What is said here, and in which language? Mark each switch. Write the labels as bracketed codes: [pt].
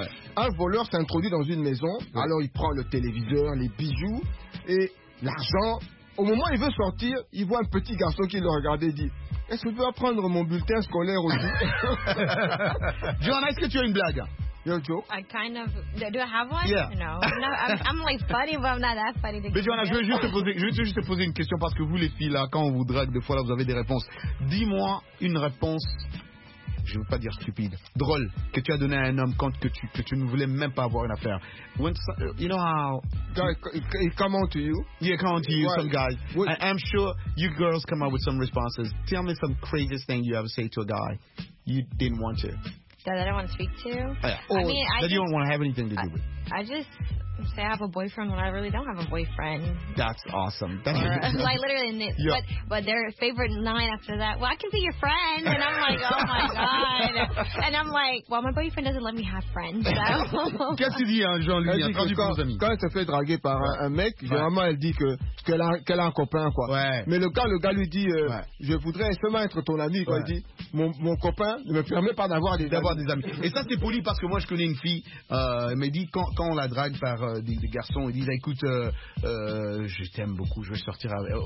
[fr] Ouais. Un voleur s'introduit dans une maison. Ouais. Alors il prend le téléviseur, les bijoux et l'argent. Au moment où il veut sortir, il voit un petit garçon qui le regardait et dit « Est-ce que je peux apprendre mon bulletin scolaire aussi ?» Johanna, est-ce que tu as une blague ? [en] Yo, Joe. I kind of... Do I have one? Yeah. No. I'm like funny, but I'm not that funny. [fr] Mais Johanna, je vais juste te poser une question parce que vous, les filles, là, quand on vous drague, des fois, là, vous avez des réponses. Dis-moi une réponse, je ne veux pas dire stupide, drôle, que tu as donné à un homme quand que tu ne voulais même pas avoir une affaire. [en] When you know how... Guy, come on to you. Yeah, come on to you, what? Some guy. I'm sure you girls come up with some responses. Tell me some craziest thing you ever say to a guy you didn't want to. That I don't want to speak to? You don't want to have anything to do with? I just say I have a boyfriend when I really don't have a boyfriend. That's awesome. That's like literally, yeah. But their favorite line after that, well, I can be your friend. And I'm like, oh my God. And I'm like, well, my boyfriend doesn't let me have friends. So. [fr] Qu'est-ce qu'il dit, hein, Jean-Louis? Elle dit quand elle se fait draguer par un mec, ouais. Généralement, elle dit qu'elle a un copain, quoi. Ouais. Mais le gars lui dit, je voudrais seulement être ton ami. Ouais. Il dit, mon copain ne me permet pas d'avoir des amis. Et ça, c'est poli parce que moi, je connais une fille. Elle m'a dit, quand on la drague par des garçons, ils disent, écoute, je t'aime beaucoup, je vais sortir avec...